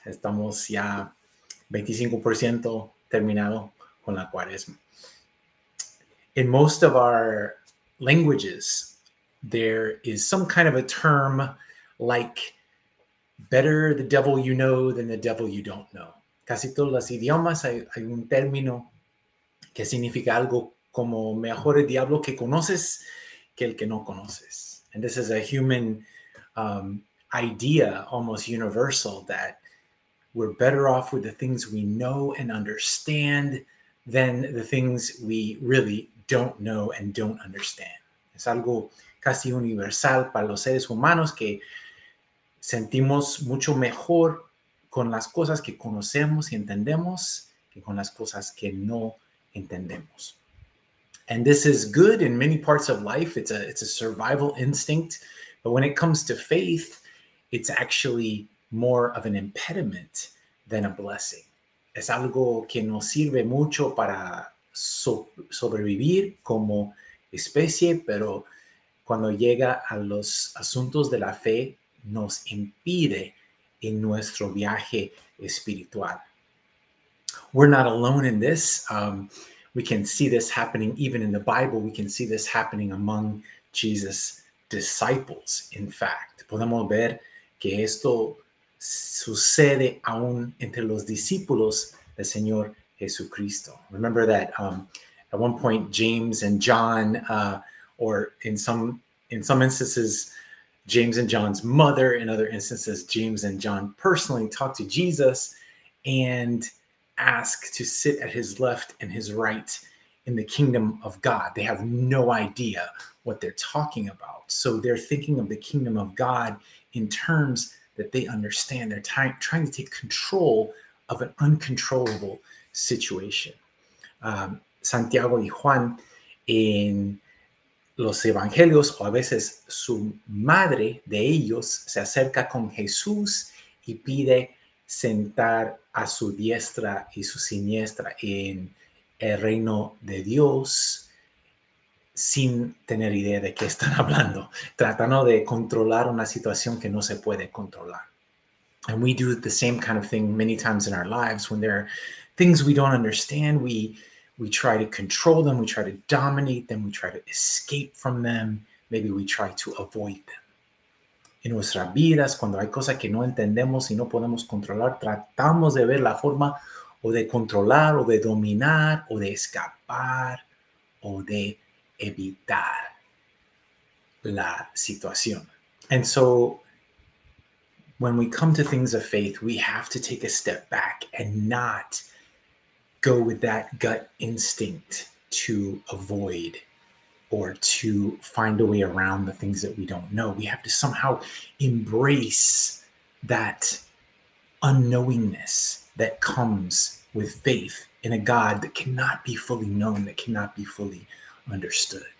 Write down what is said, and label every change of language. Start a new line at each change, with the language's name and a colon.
Spanish: Estamos ya 25% terminado con la Cuaresma.
English: In most of our languages, there is some kind of a term like better the devil you know than the devil you don't know.
Spanish: Casi todos los idiomas hay un término que significa algo como mejor el diablo que conoces que el que no conoces.
English: And this is a human idea, almost universal, that we're better off with the things we know and understand than the things we really don't know and don't understand.
Spanish: Es algo casi universal para los seres humanos que sentimos mucho mejor con las cosas que conocemos y entendemos que con las cosas que no entendemos.
English: And this is good in many parts of life. It's a survival instinct. But when it comes to faith, it's actually more of an impediment than a blessing.
Spanish: Es algo que nos sirve mucho para sobrevivir como especie, pero cuando llega a los asuntos de la fe, nos impide en nuestro viaje espiritual.
English: We're not alone in this. We can see this happening even in the Bible. We can see this happening among Jesus' disciples, in fact.
Spanish: Podemos ver que esto sucede aún entre los discípulos del Señor Jesucristo.
English: Remember that at one point, James and John, or in some instances, James and John's mother, in other instances, James and John personally talk to Jesus and ask to sit at his left and his right in the kingdom of God. They have no idea what they're talking about. So they're thinking of the kingdom of God in terms that they understand. They're trying to take control of an uncontrollable situation.
Spanish: Santiago y Juan in los evangelios, o a veces su madre de ellos, se acerca con Jesús y pide sentar a su diestra y su siniestra en el reino de Dios sin tener idea de qué están hablando, tratando de controlar una situación que no se puede controlar.
English: And we do the same kind of thing many times in our lives. When there are things we don't understand, we try to control them, we try to dominate them, we try to escape from them, maybe we try to avoid them.
Spanish: En nuestras vidas, cuando hay cosas que no entendemos y no podemos controlar, tratamos de ver la forma o de controlar o de dominar o de escapar o de evitar la situación.
English: And so, when we come to things of faith, we have to take a step back and not go with that gut instinct to avoid or to find a way around the things that we don't know. We have to somehow embrace that unknowingness that comes with faith in a God that cannot be fully known, that cannot be fully understood.